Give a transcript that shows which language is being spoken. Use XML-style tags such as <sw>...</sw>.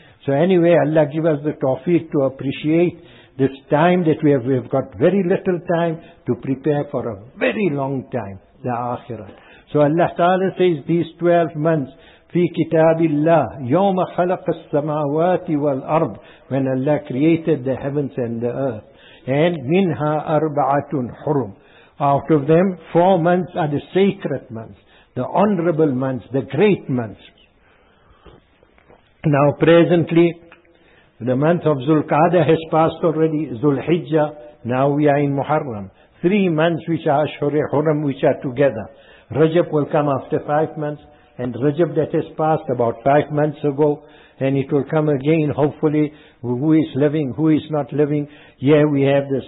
<en>So anyway, Allah give us the tawfiq to appreciate this time that we have got very little time to prepare for a very long time, the akhirah. So Allah Ta'ala says these 12 months,</en> <ar>في كتاب الله يوم خلق السماوات والأرض</ar> <en>when Allah created the heavens and the earth.</en> <ar>And منها أربعة حرم.</ar> <en>Out of them, 4 months are the sacred months, the honorable months, the great months. Now presently, the month of Zulqa'dah has passed already, Zulhijjah, now we are in Muharram. 3 months which are Ashhur-e-Hurm, which are together. Rajab will come after 5 months, and Rajab that has passed about 5 months ago, and it will come again, hopefully, who is living, who is not living. Yeah, we have this.</en>